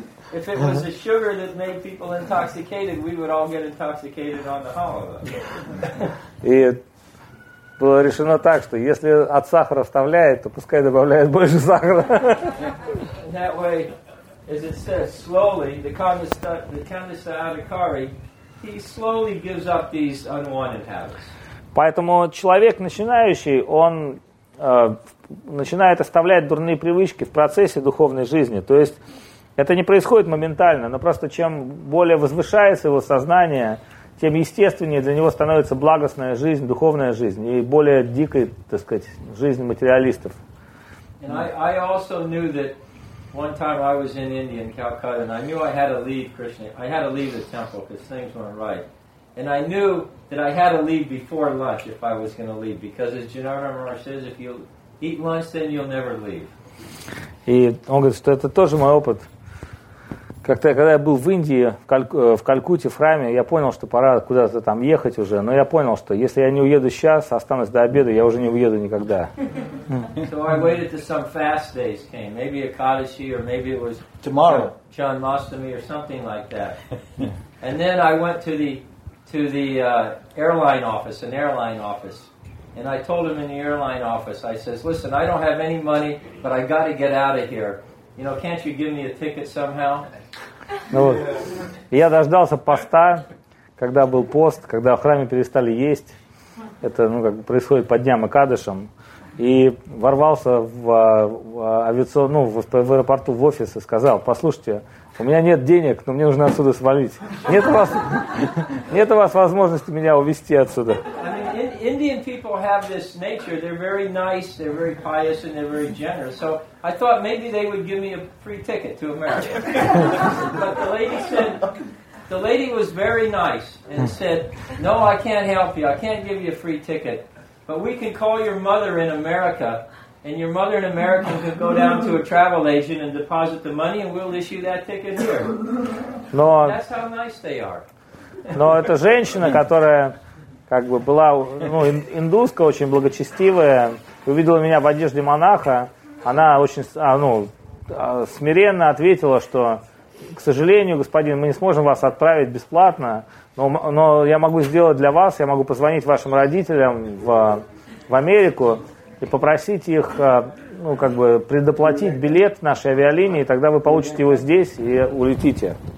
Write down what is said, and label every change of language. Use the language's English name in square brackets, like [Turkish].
[English] If it was the sugar that made people intoxicated, we would all get intoxicated on the holiday. [Russian] И было решено так, что если от сахара вставляет, то пускай добавляет больше сахара. [English] That way, as it says, slowly, the Kandasa Adhikari, he slowly gives up these unwanted habits. [Russian] Поэтому человек начинающий, он начинает оставлять дурные привычки в процессе духовной жизни. То есть это не происходит моментально, но просто чем более возвышается его сознание, тем естественнее для него становится благостная жизнь, духовная жизнь, и более дикой, так сказать, жизнь материалистов. [English] I also knew that one time I was in India, in Calcutta, and I knew I had to leave Krishna. I had to leave the temple because things weren't right. And I knew that I had to leave before lunch if I was going to leave, because as Janardhan Maharaj says, if you eat lunch, then you'll never leave. [Russian] И он говорит, что это тоже мой опыт. Как-то когда я был в Индии, в Калькутте, в храме, я понял, что пора куда-то там ехать уже. Но я понял, что если я не уеду сейчас, останусь до обеда, я уже не уеду никогда. [English] So I waited till some fast days came. Maybe Ekadashi, or maybe it was tomorrow, Janmashtami or something like that. And then I went to the airline office, an airline office. And I told him in the airline office, I says, listen, I don't have any money, but I got to get out of here. You know, can't you give me a ticket somehow? [Russian] Ну вот. Я дождался поста, когда был пост, когда в храме перестали есть. Это, ну, как происходит по дням и кадышам. И ворвался в аэропорту, в офис и сказал: послушайте, у меня нет денег, но мне нужно отсюда свалить. Нет у вас возможности меня увезти отсюда. [English] Indian people have this nature. They're very nice, they're very pious, and they're very generous. So I thought maybe they would give me a free ticket to America. But the lady said, the lady was very nice and said, no, I can't help you. I can't give you a free ticket. But we can call your mother in America, and your mother in America can go down to a travel agent and deposit the money, and we'll issue that ticket here. [Russian] Но, [English] that's how nice they are. [Russian] Но эта женщина, которая... как бы была, ну, индуска очень благочестивая, увидела меня в одежде монаха, она очень, ну, смиренно ответила, что, к сожалению, господин, мы не сможем вас отправить бесплатно, но я могу сделать для вас, я могу позвонить вашим родителям в Америку и попросить их, ну, как бы, предоплатить билет нашей авиалинии, тогда вы получите его здесь и улетите.